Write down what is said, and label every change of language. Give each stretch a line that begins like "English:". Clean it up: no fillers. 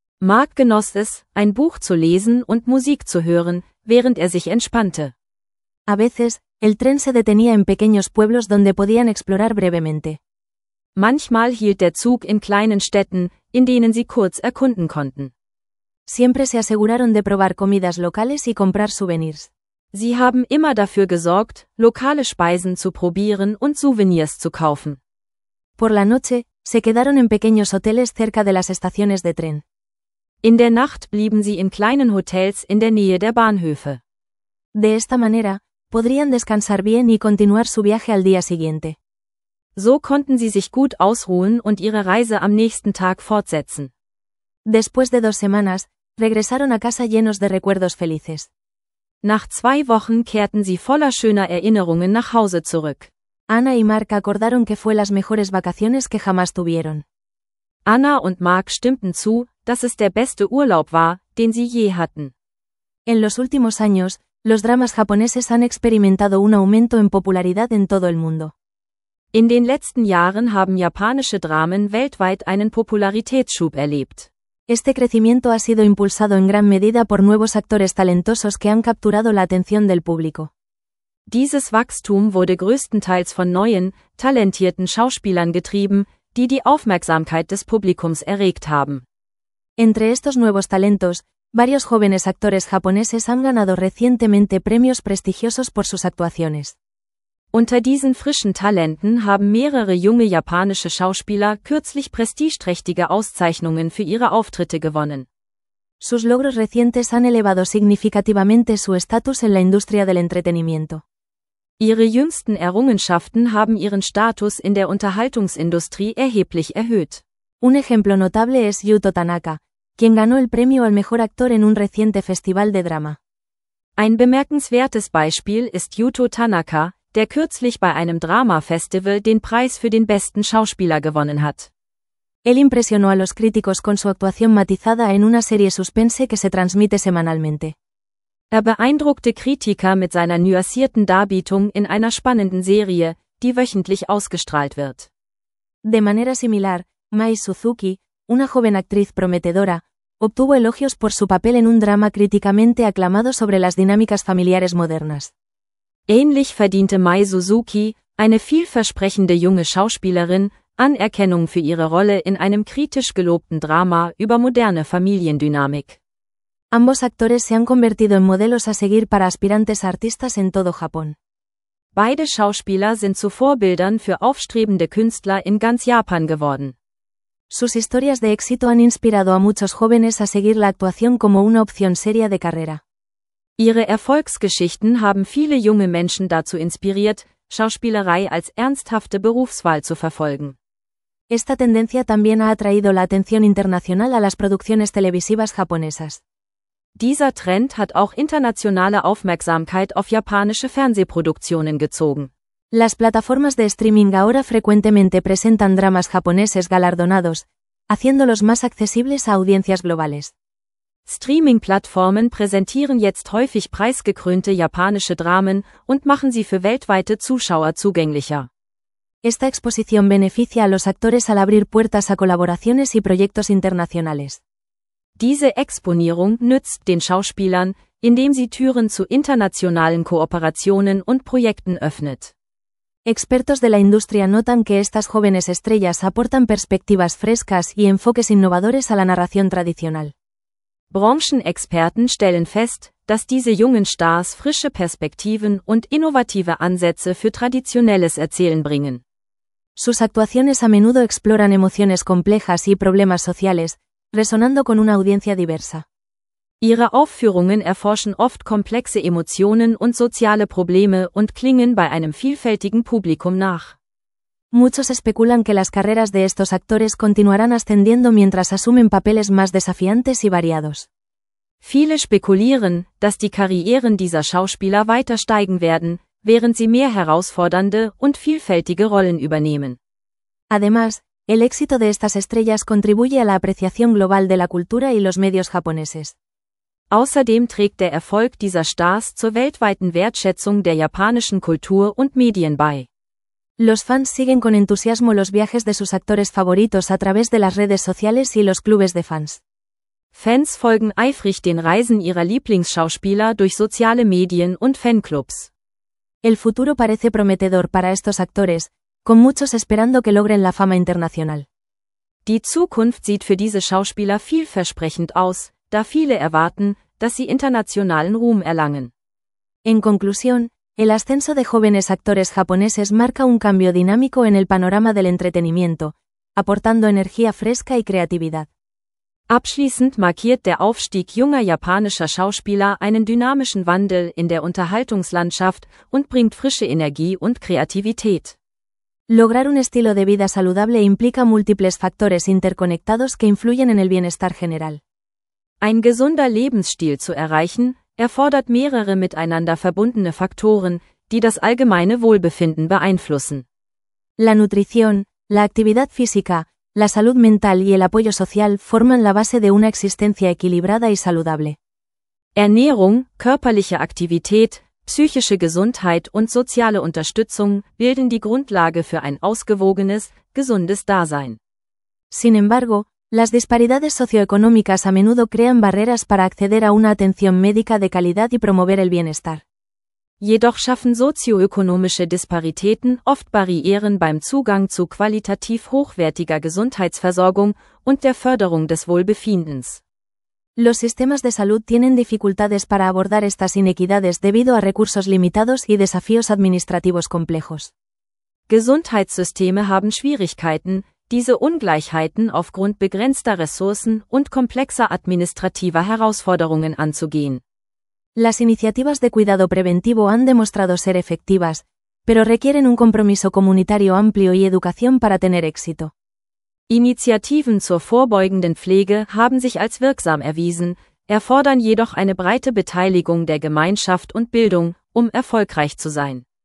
German: Mark genoss es, ein Buch zu lesen und Musik zu hören, während er sich entspannte.
Spanish: A veces, el tren se detenía en pequeños pueblos donde podían explorar brevemente.
German: Manchmal hielt der Zug in kleinen Städten, in denen sie kurz erkunden konnten.
Spanish: Siempre se aseguraron de probar comidas locales y comprar souvenirs.
German: Sie haben immer dafür gesorgt, lokale Speisen zu probieren und Souvenirs zu kaufen.
Spanish: Por la noche, se quedaron en pequeños hoteles cerca de las estaciones de tren.
German: In der Nacht blieben sie in kleinen Hotels in der Nähe der Bahnhöfe.
Spanish: De esta manera, podrían descansar bien y continuar su viaje al día siguiente.
German: So konnten sie sich gut ausruhen und ihre Reise am nächsten Tag fortsetzen.
Spanish: Después de dos semanas, regresaron a casa llenos de recuerdos felices.
German: Nach zwei Wochen kehrten sie voller schöner Erinnerungen nach Hause zurück.
Spanish: Anna y Mark acordaron que fue las mejores vacaciones que jamás tuvieron.
German: Anna und Mark stimmten zu, dass es der beste Urlaub war, den sie je hatten.
Spanish: En los últimos años, los dramas japoneses han experimentado un aumento en popularidad en todo el mundo.
German: In den letzten Jahren haben japanische Dramen weltweit einen Popularitätsschub erlebt.
Spanish: Este crecimiento ha sido impulsado en gran medida por nuevos actores talentosos que han capturado la atención del público.
German: Dieses Wachstum wurde größtenteils von neuen, talentierten Schauspielern getrieben, die die Aufmerksamkeit des Publikums erregt haben.
Spanish: Entre estos nuevos talentos, varios jóvenes actores japoneses han ganado recientemente premios prestigiosos por sus actuaciones.
German: Unter diesen frischen Talenten haben mehrere junge japanische Schauspieler kürzlich prestigeträchtige Auszeichnungen für ihre Auftritte gewonnen.
Spanish: Sus logros recientes han elevado significativamente su estatus en la industria del entretenimiento.
German: Ihre jüngsten Errungenschaften haben ihren Status in der Unterhaltungsindustrie erheblich erhöht.
Spanish: Un ejemplo notable es Yuto Tanaka, quien ganó el premio al mejor actor en un reciente festival de drama.
German: Ein bemerkenswertes Beispiel ist Yuto Tanaka, der kürzlich bei einem Drama-Festival den Preis für den besten Schauspieler gewonnen hat.
Spanish: Él impresionó a los críticos con su actuación matizada en una serie suspense que se transmite semanalmente.
German: Er beeindruckte Kritiker mit seiner nuancierten Darbietung in einer spannenden Serie, die wöchentlich ausgestrahlt wird.
Spanish: De manera similar, Mai Suzuki, una joven actriz prometedora, obtuvo elogios por su papel en un drama críticamente aclamado sobre las dinámicas familiares modernas.
German: Ähnlich verdiente Mai Suzuki, eine vielversprechende junge Schauspielerin, Anerkennung für ihre Rolle in einem kritisch gelobten Drama über moderne Familiendynamik.
Spanish: Ambos actores se han convertido en modelos a seguir para aspirantes artistas en todo Japón.
German: Beide Schauspieler sind zu Vorbildern für aufstrebende Künstler in ganz Japan geworden.
Spanish: Sus historias de éxito han inspirado a muchos jóvenes a seguir la actuación como una opción seria de carrera.
German: Ihre Erfolgsgeschichten haben viele junge Menschen dazu inspiriert, Schauspielerei als ernsthafte Berufswahl zu verfolgen.
Spanish: Esta tendencia también ha atraído la atención internacional a las producciones televisivas japonesas.
German: Dieser Trend hat auch internationale Aufmerksamkeit auf japanische Fernsehproduktionen gezogen.
Spanish: Las plataformas de streaming ahora frecuentemente presentan dramas japoneses galardonados, haciéndolos más accesibles a audiencias globales.
German: Streaming-Plattformen präsentieren jetzt häufig preisgekrönte japanische Dramen und machen sie für weltweite Zuschauer zugänglicher.
Spanish: Esta exposición beneficia a los actores al abrir puertas a colaboraciones y proyectos internacionales.
German: Diese Exponierung nützt den Schauspielern, indem sie Türen zu internationalen Kooperationen und Projekten öffnet.
Spanish: Expertos de la industria notan que estas jóvenes estrellas aportan perspectivas frescas y enfoques innovadores a la narración tradicional.
German: Branchenexperten stellen fest, dass diese jungen Stars frische Perspektiven und innovative Ansätze für traditionelles Erzählen bringen.
Spanish: Sus actuaciones a menudo exploran emociones complejas y problemas sociales, resonando con una audiencia diversa.
German: Ihre Aufführungen erforschen oft komplexe Emotionen und soziale Probleme und klingen bei einem vielfältigen Publikum nach.
Spanish: Muchos especulan que las carreras de estos actores continuarán ascendiendo mientras asumen papeles más desafiantes y variados.
German: Viele spekulieren, dass die Karrieren dieser Schauspieler weiter steigen werden, während sie mehr herausfordernde und vielfältige Rollen übernehmen.
Spanish: Además, el éxito de estas estrellas contribuye a la apreciación global de la cultura y los medios japoneses.
German: Außerdem trägt der Erfolg dieser Stars zur weltweiten Wertschätzung der japanischen Kultur und Medien bei.
Spanish: Los fans siguen con entusiasmo los viajes de sus actores favoritos a través de las redes sociales y los clubes de fans.
German: Fans folgen eifrig den Reisen ihrer Lieblingsschauspieler durch soziale Medien und Fanclubs.
Spanish: El futuro parece prometedor para estos actores, con muchos esperando que logren la fama internacional.
German: Die Zukunft sieht für diese Schauspieler vielversprechend aus, da viele erwarten, dass sie internationalen Ruhm erlangen.
Spanish: En conclusión, el ascenso de jóvenes actores japoneses marca un cambio dinámico en el panorama del entretenimiento, aportando energía fresca y creatividad.
German: Abschließend markiert der Aufstieg junger japanischer Schauspieler einen dynamischen Wandel in der Unterhaltungslandschaft und bringt frische Energie und Kreativität.
Spanish: Lograr un estilo de vida saludable implica múltiples factores interconectados que influyen en el bienestar general.
German: Ein gesunder Lebensstil zu erreichen, erfordert mehrere miteinander verbundene Faktoren, die das allgemeine Wohlbefinden beeinflussen.
Spanish: La nutrición, la actividad física, la salud mental y el apoyo social forman la base de una existencia equilibrada y saludable.
German: Ernährung, körperliche Aktivität, psychische Gesundheit und soziale Unterstützung bilden die Grundlage für ein ausgewogenes, gesundes Dasein.
Spanish: Sin embargo, las disparidades socioeconómicas a menudo crean barreras para acceder a una atención médica de calidad y promover el bienestar.
German: Jedoch schaffen sozioökonomische Disparitäten oft Barrieren beim Zugang zu qualitativ hochwertiger Gesundheitsversorgung und der Förderung des Wohlbefindens.
Spanish: Los sistemas de salud tienen dificultades para abordar estas inequidades debido a recursos limitados y desafíos administrativos complejos.
German: Gesundheitssysteme haben Schwierigkeiten, diese Ungleichheiten aufgrund begrenzter Ressourcen und komplexer administrativer Herausforderungen anzugehen.
Spanish: Las iniciativas de cuidado preventivo han demostrado ser efectivas, pero requieren un compromiso comunitario amplio y educación para tener éxito.
German: Initiativen zur vorbeugenden Pflege haben sich als wirksam erwiesen, erfordern jedoch eine breite Beteiligung der Gemeinschaft und Bildung, um erfolgreich zu sein.